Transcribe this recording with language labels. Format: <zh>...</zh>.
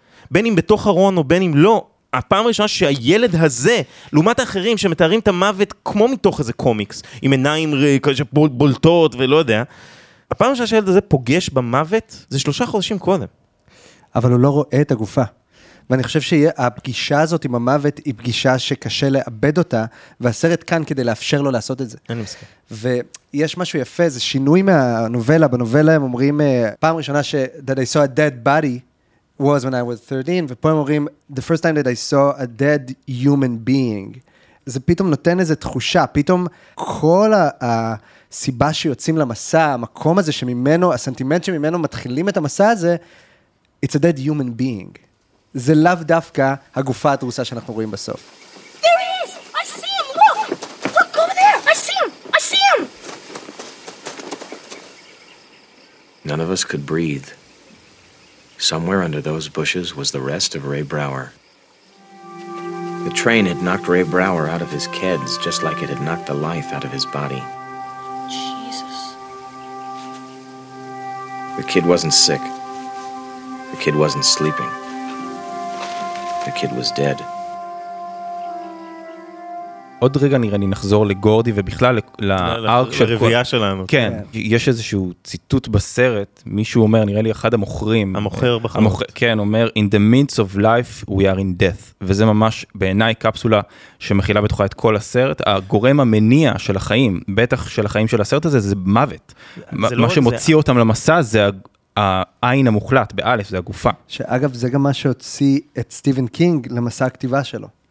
<he>בין אם בתוך ארון או בין אם לא, הפעם הראשונה שהילד הזה, לעומת האחרים שמתארים את המוות כמו מתוך איזה קומיקס, עם עיניים בולטות ולא יודע, הפעם הראשונה שהילד הזה פוגש במוות, זה שלושה חודשים קודם. אבל הוא לא רואה את הגופה. ואני חושב שהפגישה הזאת עם המוות היא פגישה שקשה לאבד אותה, והסרט כאן כדי לאפשר לו לעשות את זה. אני מסכים. ויש משהו יפה, זה שינוי מהנובלה. בנובלה הם אומרים, פעם ראשונה ש-</he> <en>that I saw a dead body was when I was 13,</en> <he>ופה הם אומרים,</he> <en>the first time that I saw a dead human being.</en> <he>זה פתאום נותן איזו תחושה, פתאום כל הסיבה שיוצאים למסע, המקום הזה שממנו, הסנטימנט שממנו מתחילים את המסע הזה,</he> <en>it's a dead human being.</en> <he>זה לאו דווקא הגופה התרוסה שאנחנו רואים בסוף.</he> <en>There he is! I see him! Look! Look over there! I see him! None of us could breathe. Somewhere under those bushes was the rest of Ray Brower. The train had knocked Ray Brower out of his keds, just like it had knocked the life out of his body. Jesus. The kid wasn't sick. The kid wasn't sleeping. The kid was dead.</en> <he>עוד רגע נראה לי נחזור לגורדי ובכלל לארק של... לרביעה שלנו. כן, יש איזשהו ציטוט בסרט, מישהו אומר, נראה לי אחד המוכרים. המוכר בחנות. כן, אומר,</he> <en>in the midst of life we are in death.</en> <he>וזה ממש בעיניי קפסולה שמכילה בתוכה את כל הסרט. הגורם המניע של החיים, בטח של החיים של הסרט הזה, זה מוות. מה שמוציא אותם למסע זה העין המוחלט, באלף, זה הגופה. שאגב, זה גם מה שהוציא את סטיבן קינג למסע הכתיבה שלו.</he>